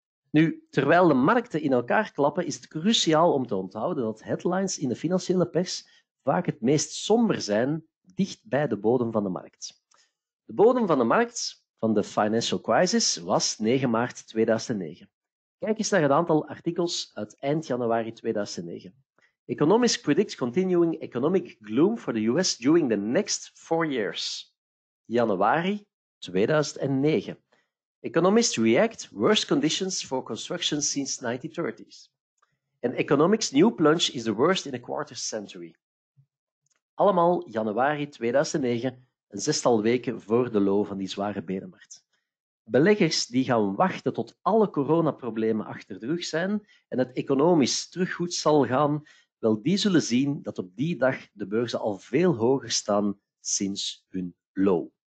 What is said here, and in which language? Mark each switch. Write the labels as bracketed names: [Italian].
[Dutch] Nu, terwijl de markten in elkaar klappen, is het cruciaal om te onthouden dat headlines in de financiële pers vaak het meest somber zijn dicht bij de bodem van de markt. De bodem van de markt van de [English] financial crisis [Dutch] was 9 maart 2009. Kijk eens naar het aantal artikels uit eind januari 2009. [English] Economists predict continuing economic gloom for the US during the next 4 years. [Dutch] Januari 2009. [English] Economists react worst conditions for construction since 1930s. And economics new plunge is the worst in a quarter century. [Dutch] Allemaal januari 2009, een zestal weken voor de low van die zware benenmarkt. Beleggers die gaan wachten tot alle coronaproblemen achter de rug zijn en het economisch teruggoed zal gaan, wel, die zullen zien dat op die dag de beurzen al veel hoger staan sinds hun low.